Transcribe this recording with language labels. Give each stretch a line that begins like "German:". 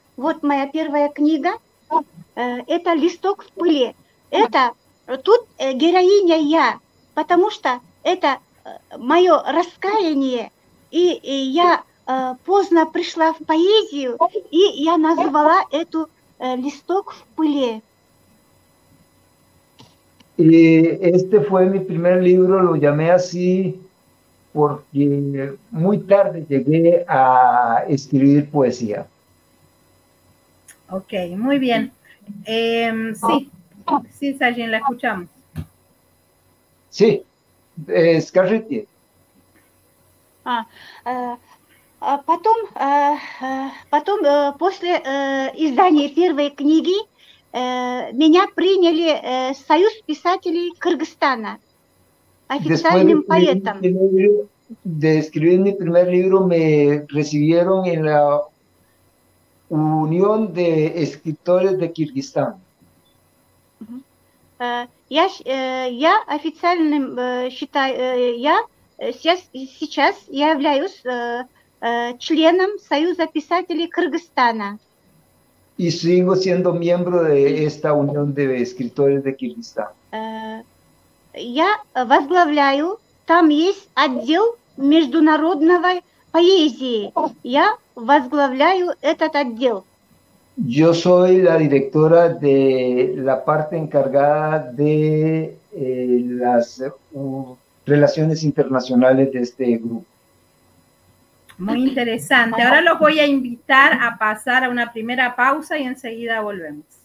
Russian: Вот моя первая книга. Это листок в пыли. Это тут героиня я, потому что это мое раскаяние, и я поздно пришла в поэзию, и я назвала эту листок в пыли.
Spanish: Este fue mi primer libro, lo llamé así porque muy tarde llegué a escribir poesía. Ok, muy bien. Sí, Sajin, la escuchamos. Sí, escarrete.
Russian: Потом, после издания первой книги, меня приняли Союз писателей Кыргызстана,
Spanish: Después
Russian: официальным поэтом.
Spanish: de escribir mi primer libro, me recibieron en la Unión de Escritores de Kirguistán.
Russian: Я официальным считаю, сейчас я являюсь членом Союза писателей Кыргызстана.
Spanish: Y sigo siendo miembro de esta Unión de Escritores de Kirguistán.
Russian: Я возглавляю, там есть отдел международной поэзии. Я возглавляю этот отдел.
Spanish: Yo soy la directora de la parte encargada de las relaciones internacionales de este grupo. Muy interesante. Ahora los voy a invitar a pasar a una primera pausa y enseguida volvemos.